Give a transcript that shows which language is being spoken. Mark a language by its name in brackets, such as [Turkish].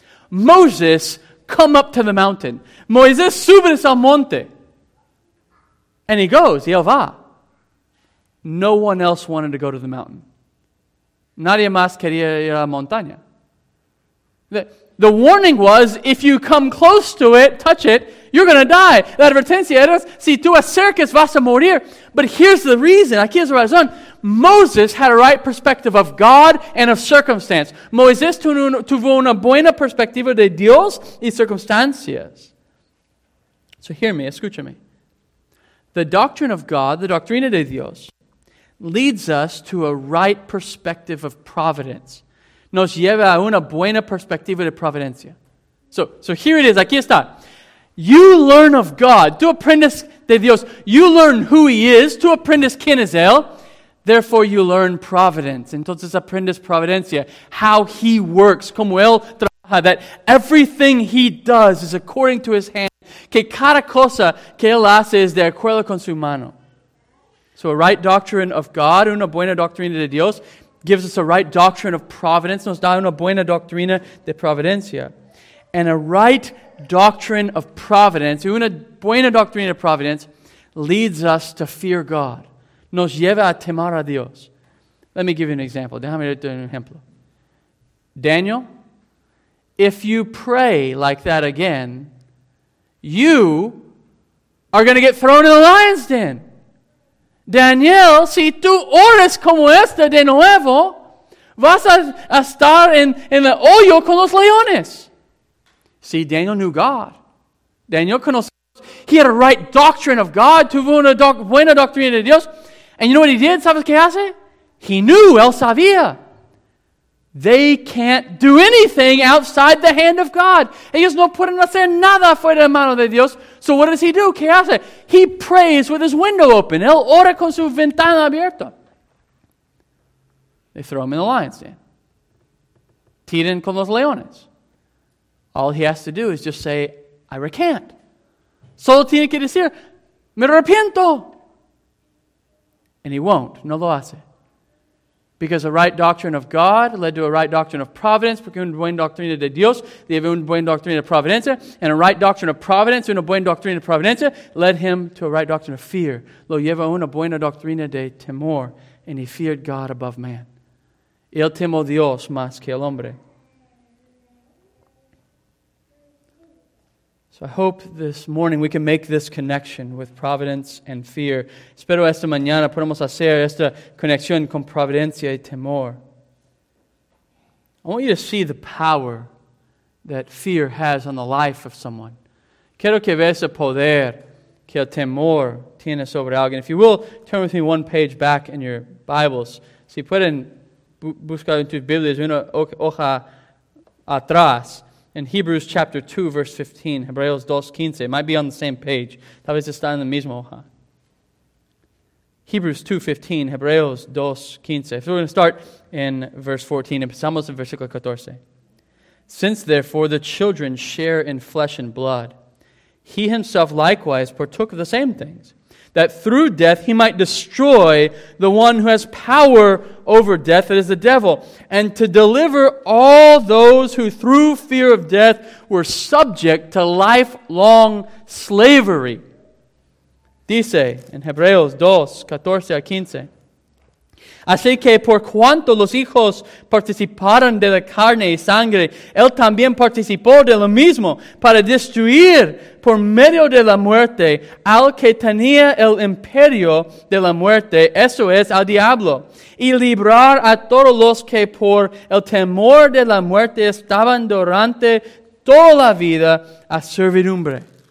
[English] Moses, come up to the mountain. [Spanish] Moisés, sube al monte. [English] And he goes, [Spanish] y él va. [English] No one else wanted to go to the mountain. [Spanish] Nadie más quería ir a la montaña. [English] The warning was, if you come close to it, touch it, you're going to die. [Spanish] La advertencia era, si tú acercas, vas a morir. [English] But here's the reason, [Spanish] aquí es la razón. [English] Moses had a right perspective of God and of circumstance. [Spanish] Moisés tuvo una buena perspectiva de Dios y circunstancias. [English] So hear me, [Spanish] escúchame. [English] The doctrine of God, the [Spanish] doctrina de Dios, [English] leads us to a right perspective of providence. [Spanish] Nos lleva a una buena perspectiva de providencia. [English] So here it is, [Spanish] aquí está. [English] You learn of God, [Spanish] tú aprendes de Dios. [English] You learn who He is, [Spanish] tú aprendes quién es Él. [English] Therefore you learn providence. [Spanish] Entonces aprendes providencia. [English] How He works, [Spanish] como Él trabaja. [English] That everything He does is according to His hand. [Spanish] Que cada cosa que Él hace es de acuerdo con su mano. [English] So a right doctrine of God, [Spanish] una buena doctrina de Dios, [English] gives us a right doctrine of providence, [Spanish] nos da una buena doctrina de providencia. [English] And a right doctrine of providence, [Spanish] una buena doctrina de providence, [English] leads us to fear God. [Spanish] Nos lleva a temer a Dios. [English] Let me give you an example. [Spanish] Déjame darte un ejemplo. [English] Daniel, if you pray like that again, you are going to get thrown in the lion's den. [Spanish] Daniel, si tú oras como esta de nuevo, vas a estar en el hoyo con los leones. [English] See, Daniel knew God. [Spanish] Daniel conoció. [English] He had a right doctrine of God. [Spanish] Tuvo una buena doctrina de Dios. [English] And you know what he did? [Spanish] ¿Sabes qué hace? [English] He knew. [Spanish] Él sabía. [English] They can't do anything outside the hand of God. [Spanish] Ellos no pueden hacer nada fuera de la mano de Dios. [English] So what does he do? [Spanish] ¿Qué hace? [English] He prays with his window open. [Spanish] Él ora con su ventana abierta. [English] They throw him in the lion's den. [Spanish] Tiran con los leones. [English] All he has to do is just say, I recant. [Spanish] Solo tiene que decir, me arrepiento. [English] And he won't. [Spanish] No lo hace. [English] Because a right doctrine of God led to a right doctrine of providence, [Spanish] porque una buena doctrina de Dios lleva una buena doctrina de providencia, [English] and a right doctrine of providence, [Spanish] una buena doctrina de providencia, [English] led him to a right doctrine of fear. [Spanish] Lo lleva una buena doctrina de temor, [English] and he feared God above man. [Spanish] Él temió a Dios más que al hombre. [English] So I hope this morning we can make this connection with providence and fear. [Spanish] Espero esta mañana podamos hacer esta conexión con providencia y temor. [English] I want you to see the power that fear has on the life of someone. [Spanish] Quiero que veas el poder que el temor tiene sobre alguien. [English] If you will, turn with me one page back in your Bibles. [Spanish] Si pueden buscar en tus Biblias una hoja atrás. [English] In Hebrews chapter 2, verse 15, Hebreos 2:15, it might be on the same page. [Spanish] Tal vez está en la misma hoja. [English] Hebrews 2:15, Hebreos 2:15. So we're going to start in verse 14, [Spanish] empezamos en versículo 14. [English] Since therefore the children share in flesh and blood, he himself likewise partook of the same things, that through death he might destroy the one who has power over death, that is the devil, and to deliver all those who through fear of death were subject to lifelong slavery. [Spanish] Dice en Hebreos 2:14-15. Así que por cuanto los hijos participaron de la carne y sangre, él también participó de lo mismo para destruir por medio de la muerte al que tenía el imperio de la muerte, eso es, al diablo, y librar a todos los que por el temor de la muerte estaban durante toda la vida a servidumbre.